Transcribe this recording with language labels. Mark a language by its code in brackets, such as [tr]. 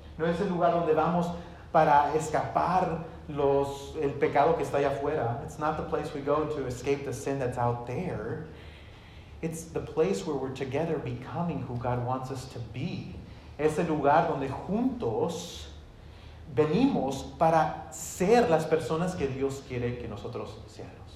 [es] No es el lugar donde vamos para escapar el pecado que está allá afuera. [en] It's not the place we go to escape the sin that's out there. It's the place where we're together becoming who God wants us to be. [es] Es el lugar donde juntos venimos para ser las personas que Dios quiere que nosotros seamos.